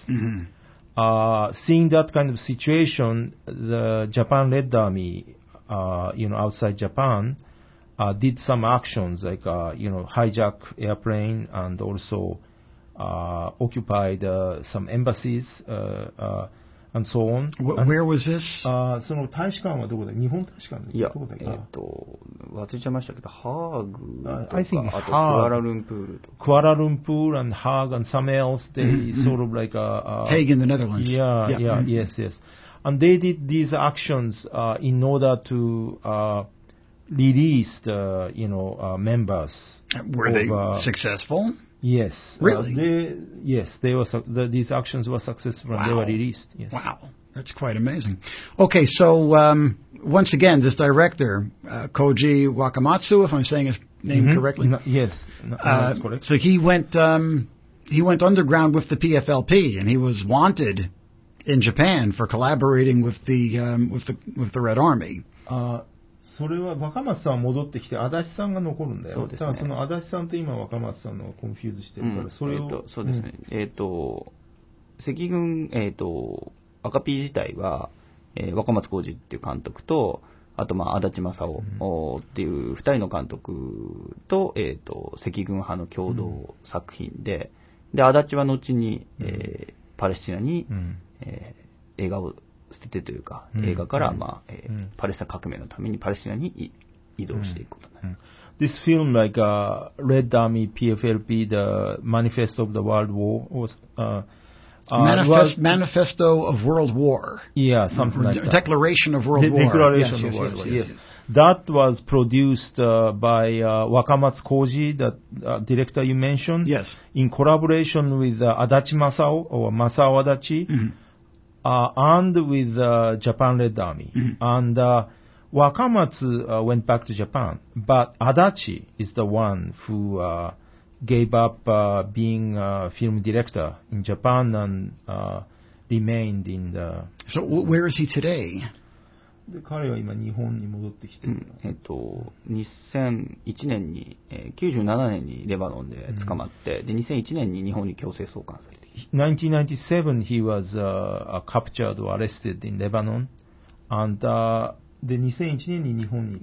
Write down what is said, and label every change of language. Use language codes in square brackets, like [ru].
[en] Seeing that kind of situation, the Japan Red Army, you know, outside Japan. Did some actions like, you know, hijack airplane and also, occupied, some embassies, and so on. Where was this? [ja] その大使館はどこだ？日本大使館はどこだ？いや、忘れちゃいましたけど、ハーグとか、 [en] I think [ja] あとクアラルンプールとか。 [en] クアラルンプール and ハーグ and some else, they sort of like, Hague in the Netherlands. Yes. And they did these actions, in order to, released, you know, members. Were they successful? Yes. Really? These actions were successful. Wow. And they were released. Yes. Wow. That's quite amazing. Okay, so, once again, this director, Koji Wakamatsu, if I'm saying his name correctly. That's correct. So he went underground with the PFLP and he was wanted in Japan for collaborating with the Red Army. [ja] それは若松さんは戻ってきて足立さんが残るんだよ。そうですね、ただその足立さんと今若松さんのコンフューズしてるから、うん、それを、そうですね、赤軍、赤 P 自体は、若松浩二っていう監督とあと、まあ、足立正夫っていう2人の監督 と、うん、赤軍派の共同作品 で、で足立は後に、パレスチナに、映画を捨ててというか、映画から、まあパレスチナ革命のためにパレスチナに移動していくことになる。 [en] This film, like a Red Army PFLP, the Manifesto of the World War, Manifesto of World War. Yeah, something like that. Declaration of World War. Declaration of World War. Yes. That was produced by Wakamatsu Koji, the director you mentioned. Yes. In collaboration with Adachi Masao or Masao Adachi. And with Japan Red Army. Mm-hmm. And Wakamatsu went back to Japan. But Adachi is the one who gave up being a film director in Japan and remained in the... So where is he today? [ja] で彼は今日本に戻ってきてる、 2001年に、97年にレバノンで捕まって、で2001年に日本に強制送還されて [en] 1997 he was captured or arrested in Lebanon and [ja] で2001年に日本に